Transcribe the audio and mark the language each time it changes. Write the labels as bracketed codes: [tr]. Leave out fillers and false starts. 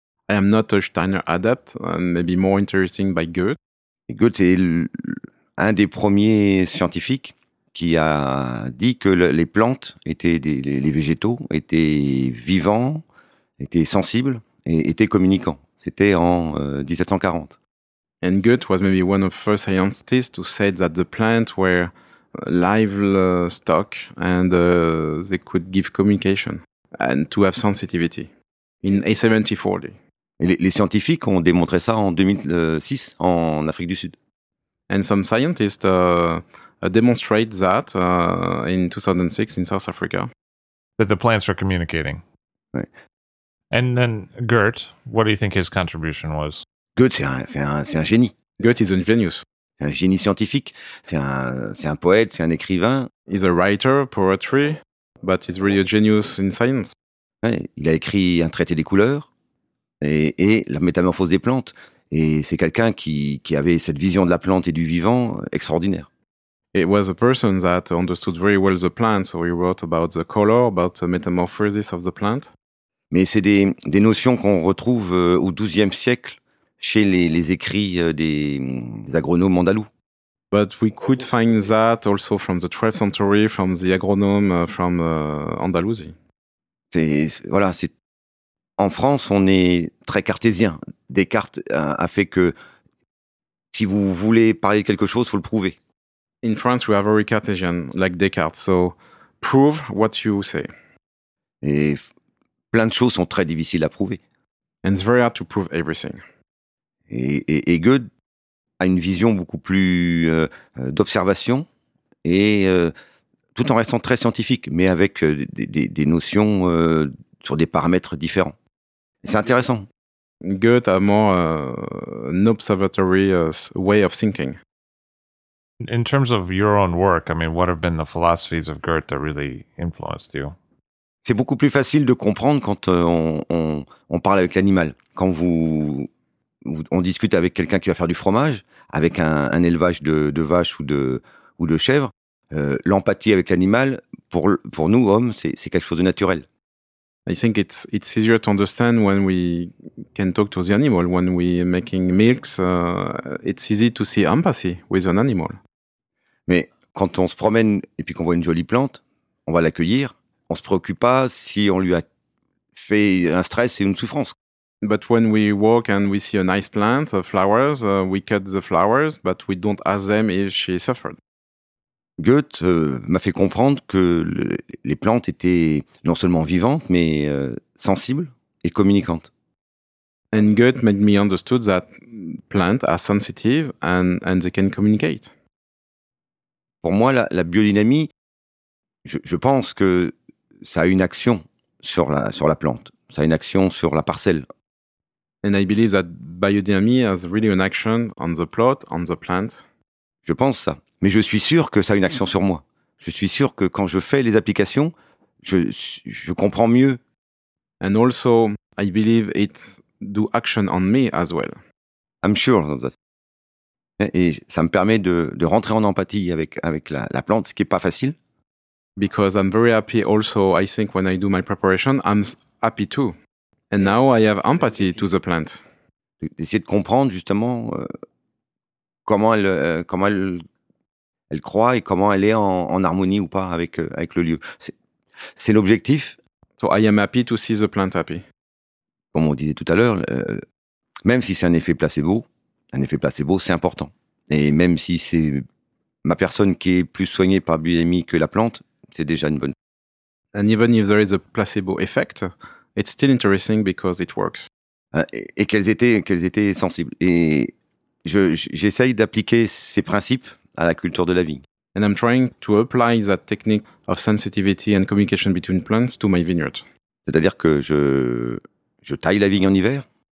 [en] I am not a Steiner adept, maybe more interested by Goethe. [fr] Et Goethe est un des premiers scientifiques qui a dit que les plantes étaient les végétaux étaient vivants, étaient sensibles et étaient communicants. C'était en 1740. [en] And Goethe was maybe one of the first scientists to say that the plants were live stock and they could give communication and to have sensitivity in A74. [fr] Les scientifiques ont démontré ça en 2006 en Afrique du Sud. [en] And some scientists demonstrate that in 2006 in South Africa. That the plants are communicating. [fr] Ouais. [en] And then Goethe, what do you think his contribution was? [fr] Goethe, c'est un génie. [en] Goethe is a genius. [fr] C'est un génie scientifique. C'est un poète, c'est un écrivain. [en] He's a writer, poetry, but he's really a genius in science. [fr] Ouais, il a écrit un traité des couleurs et la métamorphose des plantes. Et c'est quelqu'un qui avait cette vision de la plante et du vivant extraordinaire. [en] It was a person that understood very well the plant, so he wrote about the color, about the metamorphosis of the plant. [fr] Mais c'est des notions qu'on retrouve au XIIe siècle chez les écrits des agronomes andalous. [en] But we could find that also from the 12th century, from the agronome from Andalusia. [fr] C'est en France, on est très cartésien. Descartes a fait que si vous voulez parler de quelque chose, faut le prouver. [en] In France, we are very cartesian, like Descartes. So prove what you say. [fr] Et plein de choses sont très difficiles à prouver. [en] And it's very hard to prove everything. [fr] Et Goethe a une vision beaucoup plus d'observation et tout en restant très scientifique, mais avec des notions sur des paramètres différents. Et c'est intéressant. [en] Goethe a more an observatory way of thinking. In terms of your own work, I mean, what have been the philosophies of Goethe that really influenced you? [fr] C'est beaucoup plus facile de comprendre quand on parle avec l'animal. Quand on discute avec quelqu'un qui va faire du fromage, avec un élevage de vaches ou de chèvres, l'empathie avec l'animal, pour nous, hommes, c'est quelque chose de naturel. [en] I think it's easier to understand when we can talk to the animal, when we are making milks, it's easy to see empathy with an animal. [fr] Mais quand on se promène et puis qu'on voit une jolie plante, on va l'accueillir. On se préoccupe pas si on lui a fait un stress et une souffrance. [en] But when we walk and we see a nice plant, flowers, we cut the flowers, but we don't ask them if she suffered. [fr] Goethe m'a fait comprendre que les plantes étaient non seulement vivantes, mais sensibles, et communicante. [en] And Goethe made me understood that plants are sensitive and they can communicate. [fr] Pour moi, la biodynamie, je pense que ça a une action sur la plante, ça a une action sur la parcelle. [en] And I believe that biodynamy has really an action on the plot, on the plant. [fr] Je pense ça. Mais je suis sûr que ça a une action sur moi. Je suis sûr que quand je fais les applications, je comprends mieux. [en] And also, I believe it do action on me as well. I'm sure of that. [fr] Et ça me permet de rentrer en empathie avec la plante, ce qui n'est pas facile. [en] Because I'm very happy also, I think when I do my preparation, I'm happy too. And now I have empathy to the plant. [fr] D'essayer de comprendre justement comment elle croit et comment elle est en harmonie ou pas avec le lieu. C'est l'objectif. [en] So I am happy to see the plant happy. [fr] Comme on disait tout à l'heure, même si c'est un effet placebo, c'est important. Et même si c'est ma personne qui est plus soignée par biodynamie que la plante, c'est déjà une bonne chose. [en] And even if there is a placebo effect, it's still interesting because it works. [fr] Et qu'elles étaient sensibles. Et j'essaye d'appliquer ces principes à la culture de la vigne. [en] And I'm trying to apply that technique of sensitivity and communication between plants to my vineyard. [fr] C'est-à-dire que je taille la vigne en hiver.